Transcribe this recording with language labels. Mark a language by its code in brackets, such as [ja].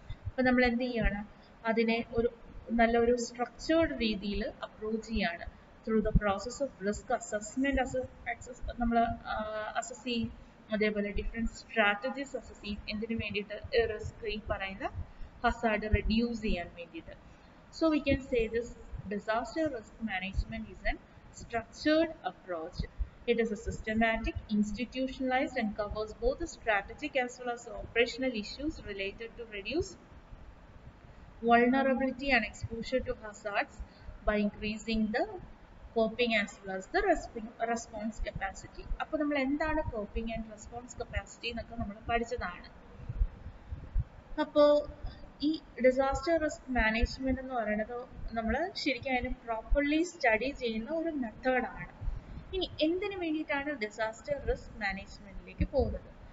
[ml] അപ്പൊ നമ്മൾ എന്ത് ചെയ്യാണ്, അതിനെ ഒരു നല്ലൊരു സ്ട്രക്ചേർഡ് രീതിയിൽ അപ്രോച്ച് ചെയ്യാണ് through the process of risk assessment നമ്മൾ അസസ് ചെയ്യും, അതേപോലെ ഡിഫറെന്റ് സ്ട്രാറ്റജീസ് അസസ് ചെയ്യും. എന്തിനു വേണ്ടിയിട്ട്? റിസ്ക് ഈ പറയുന്ന ഹസാർഡ് റെഡ്യൂസ് ചെയ്യാൻ വേണ്ടിയിട്ട്. [en] So we can say this disaster risk management is a structured approach. It is a systematic, institutionalized, and covers both the strategic as well as the operational issues related to reduce vulnerability and exposure to hazards by increasing the coping as well as the response capacity. [ml] അപ്പോൾ നമ്മൾ എന്താണ് copying and response capacity എന്നൊക്കെ നമ്മൾ പഠിച്ചതാണ്. അപ്പോൾ ഈ disaster risk management എന്ന് പറയുന്നത് നമ്മൾ ശരിക്കും അതിനെ പ്രോപ്പർലി സ്റ്റഡി ചെയ്യുന്ന ഒരു മെത്തേഡാണ്. ഇനി എന്തിനു വേണ്ടിയിട്ടാണ് ഡിസാസ്റ്റർ റിസ്ക് മാനേജ്മെന്റിലേക്ക് പോകുന്നത്?